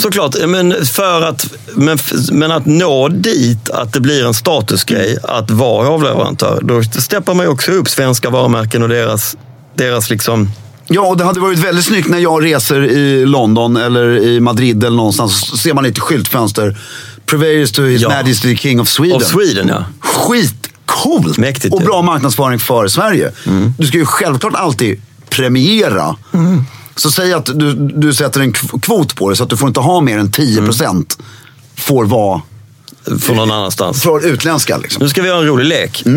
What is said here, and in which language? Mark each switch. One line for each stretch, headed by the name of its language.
Swedish: Såklart, men för att men att nå dit att det blir en statusgrej att vara hovleverantör, då steppar man ju också upp svenska varumärken och deras liksom. Ja, och det hade varit väldigt snyggt när jag reser i London eller i Madrid eller någonstans. Så ser man ett skyltfönster.
English: Purveyors to his majesty the king of Sweden. Of Sweden, ja.
Swedish: Skitcoolt! Mäktigt. Och bra marknadsföring för Sverige. Du ska ju självklart alltid premiera. Så säg att du sätter en kvot på det så att du får inte ha mer än 10% får vara... Från någon annanstans. Från utländska liksom. Nu ska vi ha en rolig lek.